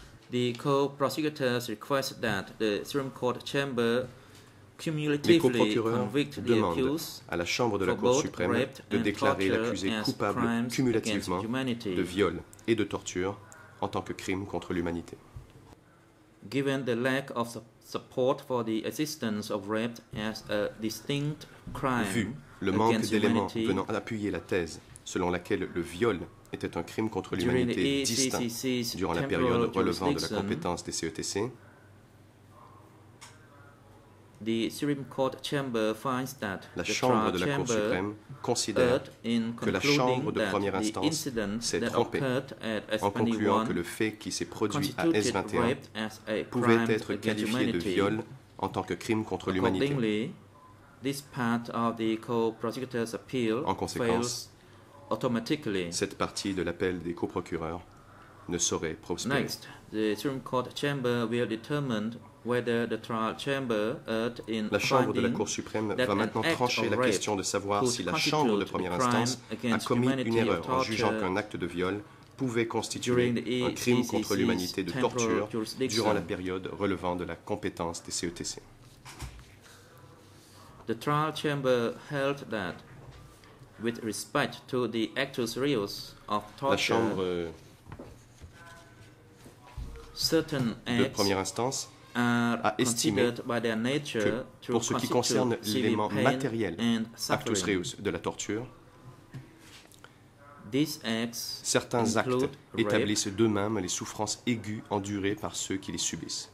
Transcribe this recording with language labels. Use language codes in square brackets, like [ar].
[en] The co-prosecutors request that the Supreme Court chamber cumulatively convict the accused [fr] à la Chambre de la Cour suprême de déclarer l'accusé coupable cumulativement de viol et de torture en tant que crime contre l'humanité. [en] Given the lack of support for the existence of rape as a distinct crime. [fr] Vu le manque d'éléments venant appuyer la thèse selon laquelle le viol était un crime contre l'humanité distinct durant la période relevant de la compétence des CETC, [en] the Supreme Court chamber finds that [fr] la Chambre de la Cour suprême considère que la Chambre de première instance s'est trompée en concluant que le fait qui s'est produit à S21 pouvait être qualifié de viol en tant que crime contre l'humanité. [en] This part of the co-prosecutor's appeal [fr] en conséquence, [en] automatically. [fr] Cette partie de l'appel des coprocureurs ne saurait prospérer. [en] Next, the Supreme Court chamber will determine whether the trial chamber erred in [fr] la Chambre de la Cour suprême va maintenant trancher la question de savoir si la Chambre de première instance a commis une erreur en jugeant qu'un acte de viol pouvait constituer un crime contre l'humanité de torture durant la période relevant de la compétence des CETC. [en] The trial chamber held that, with respect to the actus reus of torture, [fr] la Chambre [en] certain [fr] de première instance a estimé que, pour ce qui concerne l'élément matériel, actus reus, de la torture, certains actes établissent d'eux-mêmes les souffrances aiguës endurées par ceux qui les subissent.